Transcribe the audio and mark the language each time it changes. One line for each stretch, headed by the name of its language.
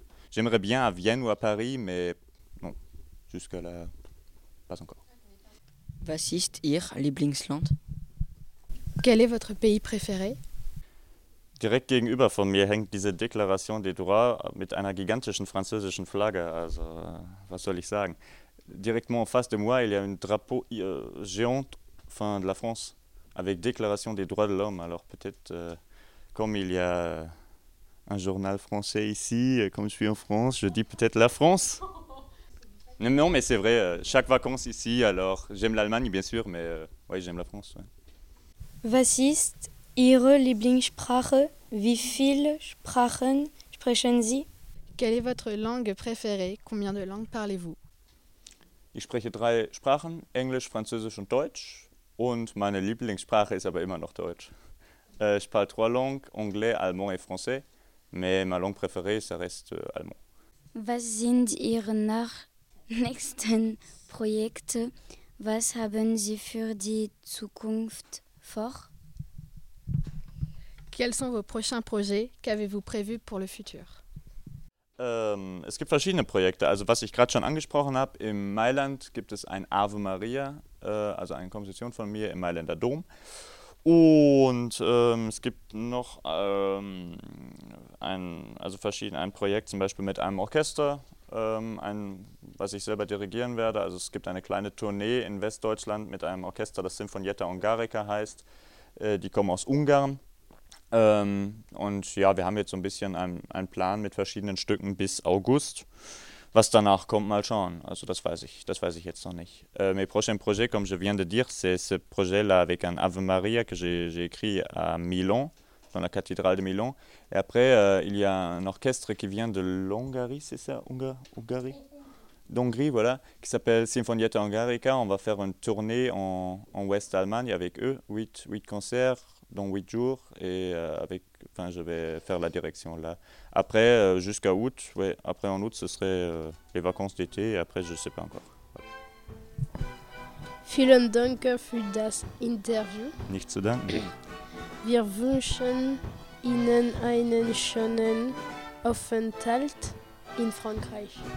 French: J'aimerais bien à Vienne ou à Paris, mais non, jusqu'à là, pas encore.
German: Was ist Ihr Lieblingsland?
French: Quel est votre pays préféré?
German: Direkt gegenüber von mir hängt diese Déclaration des droits mit einer gigantischen französischen Flagge. Also, was soll ich sagen?
French: Directement en face de moi, il y a un drapeau géant de la France avec Déclaration des droits de l'homme. Alors peut-être, comme il y a un journal français ici, comme je suis en France, je dis peut-être la France. Non, mais c'est vrai, chaque vacances ici, alors j'aime l'Allemagne, bien sûr, mais oui, j'aime la France. Ouais. Vassiste.
German: Ihre Lieblingssprache, wie viele Sprachen sprechen Sie?
French: Quelle est votre langue préférée? Combien de langues parlez-vous?
German: Ich spreche 3 Sprachen, Englisch, Französisch und Deutsch. Und meine Lieblingssprache ist aber immer noch Deutsch.
French: Ich parle 3 langues, Anglais, Allemand et Français. Mais ma langue préférée, ça reste Allemand.
German: Was sind Ihre nächsten Projekte? Was haben Sie für die Zukunft vor?
French: Quels sont vos prochains projets? Qu'avez-vous prévu pour le futur?
German: Es gibt verschiedene Projekte. Also was ich gerade schon angesprochen habe, im Mailand gibt es ein Ave Maria, also eine Komposition von mir im Mailänder Dom. Und es gibt noch ein Projekt zum Beispiel mit einem Orchester, was ich selber dirigieren werde. Also es gibt eine kleine Tournee in Westdeutschland mit einem Orchester, das Sinfonietta Ungarica heißt. Die kommen aus Ungarn. Und ja, wir haben jetzt so ein bisschen einen Plan mit verschiedenen Stücken bis August. Was danach kommt, mal schauen. Also das weiß ich jetzt noch nicht.
French: Mes prochains projets, comme je viens de dire, c'est ce projet-là avec un Ave Maria que j'ai écrit à Milan, dans la cathédrale de Milan. Et après, il y a un orchestre qui vient de l'Hongrie, c'est ça, Hongrie, d'Hongrie, voilà, qui s'appelle Sinfonietta Hungarica. On va faire une tournée en Ouest-Allemagne avec eux, 8 concerts dans 8 jours. Et je vais faire la direction là. Après, jusqu'à août, ouais, après en août, ce serait les vacances d'été. Et après, je ne sais pas encore.
German: Vielen Dank für das Interview. Nicht zu danken. Wir wünschen Ihnen einen schönen Aufenthalt in Frankreich.